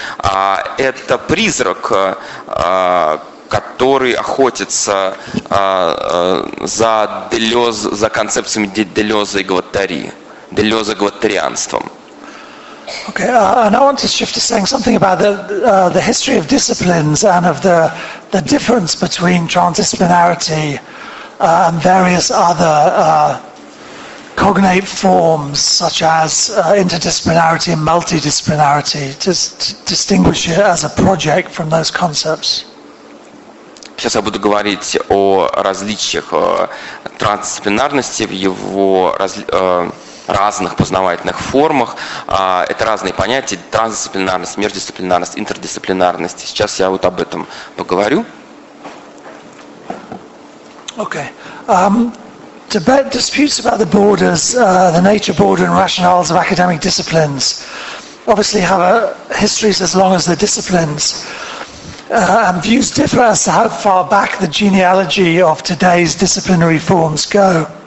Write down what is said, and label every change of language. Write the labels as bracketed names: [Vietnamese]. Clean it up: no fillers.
[Russian] Это призрак, который охотится за Делёза, за концепциями Делёза и Гваттари, Делёза-гваттарианством. [English] Okay, and I want to shift to saying something about the history of disciplines and of the difference between transdisciplinarity and various other cognate forms, such as interdisciplinarity and multidisciplinarity, to distinguish it as a project from those concepts. [Russian] Сейчас я буду говорить о различиях трансдисциплинарности в его разных познавательных формах. Это разные понятия: трансдисциплинарность, междисциплинарность, интердисциплинарность. Сейчас я вот об этом поговорю. [English] Okay. Disputes about the borders, the nature, border, and rationales of academic disciplines obviously have histories as long as the disciplines. And views differ as to how far back the genealogy of today's disciplinary forms go.